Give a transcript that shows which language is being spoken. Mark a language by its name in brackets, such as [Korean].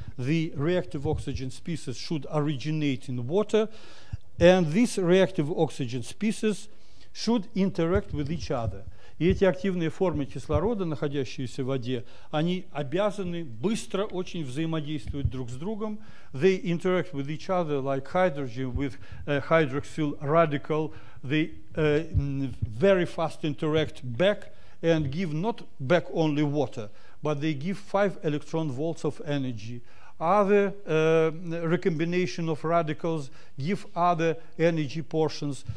[English] The reactive oxygen species should originate in water, and these reactive oxygen species should interact with each other. [Russian] И эти активные формы кислорода, находящиеся в воде, они обязаны быстро очень взаимодействовать друг с другом. [English] They interact with each other like hydrogen with a hydroxyl radical. They very fast interact back and give not back only water, but they give 5 electron volts of energy. other recombination of radicals give other energy portions.